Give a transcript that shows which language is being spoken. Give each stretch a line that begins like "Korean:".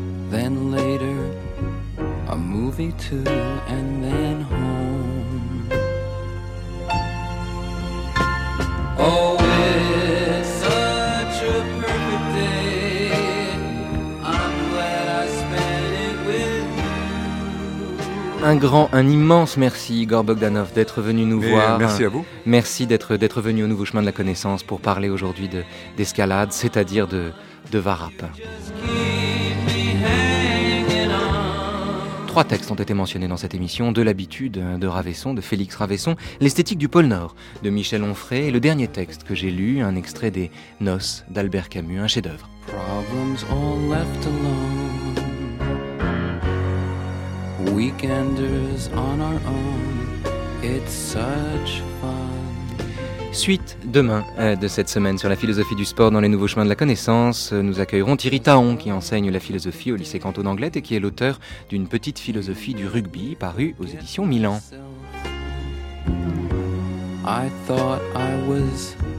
English: Then later, a movie too, and then home. Oh, it's such a perfect day. I'm glad I spent it with you.
French: Un grand, un immense merci, Igor Bogdanov, d'être venu nous voir. Merci à vous. Merci d'être venu au Nouveau Chemin de la Connaissance pour parler aujourd'hui d'escalade, c'est-à-dire de varap.
English: Just keep me hanging.
French: Trois textes ont été mentionnés dans cette émission, De l'habitude de Ravaisson, de Félix Ravaisson, L'esthétique du pôle Nord de Michel Onfray, et le dernier texte que j'ai lu, un extrait des Noces d'Albert Camus, un chef-d'œuvre.
English: Problems all left alone, weekenders on our own, it's such fun.
French: Suite demain de cette semaine sur la philosophie du sport dans les nouveaux chemins de la connaissance, nous accueillerons Thierry Taon qui enseigne la philosophie au lycée Canton d'Anglet et qui est l'auteur d'une petite philosophie du rugby parue aux éditions Milan.
English: I thought I was